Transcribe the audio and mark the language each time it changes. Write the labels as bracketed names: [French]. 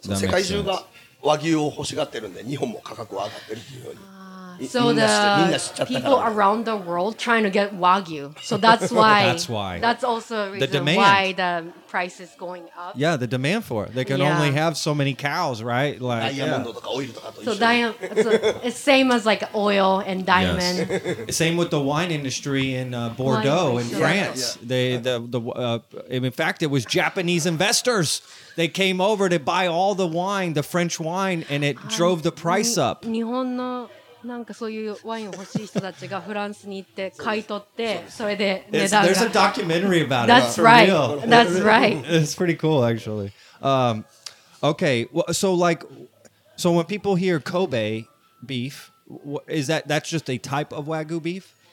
[English] Got it. [Japanese] 世界中が和牛を欲しがってるんで、日本も価格は上がってるっていうように。 [English] So the people around the world trying to get Wagyu. So that's why. That's why. That's also a reason why the price is going up. Yeah, the demand for it. They can only have so many cows, right? Like, it's same as like oil and diamond. Yes. Same with the wine industry in Bordeaux in France. Yeah. In fact, it was Japanese investors. They came over to buy all the wine, the French wine, and it drove the price up. [Japanese] なんかそういうワインを欲しい人たちがフランスに行って買い取って、それで値段が。 [English] There's a documentary about it. That's right. That's right. It's pretty cool, actually. So when people hear Kobe beef, is that's just a type of Wagyu beef?